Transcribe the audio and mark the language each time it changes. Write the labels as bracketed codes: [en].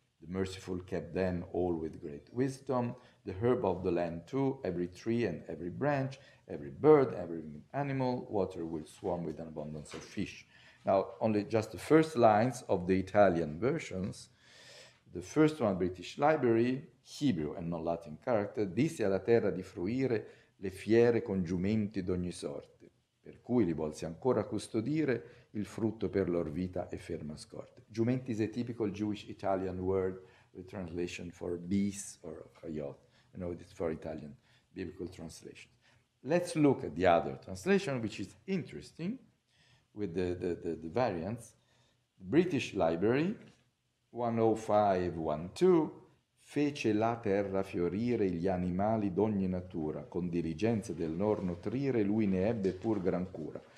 [en] The merciful kept them all with great wisdom. The herb of the land too, every tree and every branch, every bird, every animal. Water will swarm with an abundance of fish. Now, only just the first lines of the Italian versions. The first one, British Library, Hebrew and non-Latin character. [it] Disse alla terra di fruire le fiere con giumenti d'ogni sorte. Per cui li volse ancora custodire il frutto per lor vita e ferma scorte. [en] Giumenti is a typical Jewish Italian word, the translation for beasts or chayot. You know, it's for Italian biblical translation. Let's look at the other translation, which is interesting, with the variants. [it] British Library, 10512, fece la terra fiorire gli animali d'ogni natura, con diligenza del nor nutrire lui ne ebbe pur gran cura.